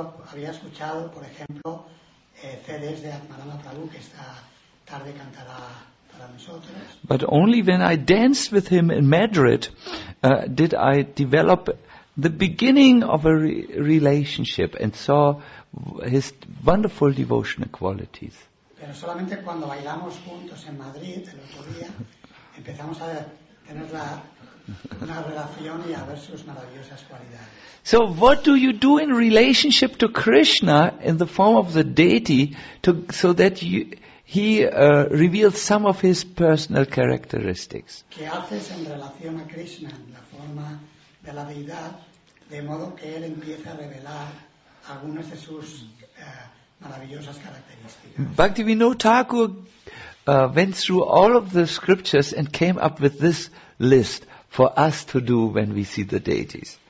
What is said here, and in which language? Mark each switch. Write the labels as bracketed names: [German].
[Spanish] Había escuchado, por ejemplo, CDs de Atma Rama Prabhu que esta tarde cantará. [English] But only when I danced with him in Madrid did I develop the beginning of a relationship and saw his wonderful devotional qualities. [Spanish] Pero solamente cuando bailamos juntos en Madrid el otro día empezamos a tener una relación y a ver sus maravillosas cualidades. [English] So what do you do in relationship to Krishna in the form of the deity so that you... He reveals some of his personal characteristics. [Spanish] ¿Qué haces en relación a Krishna, en la forma de la deidad, de modo que él empieza a revelar algunas de sus maravillosas características? [English] Bhaktivinoda Thakur went through all of the scriptures and came up with this list for us to do when we see the deities.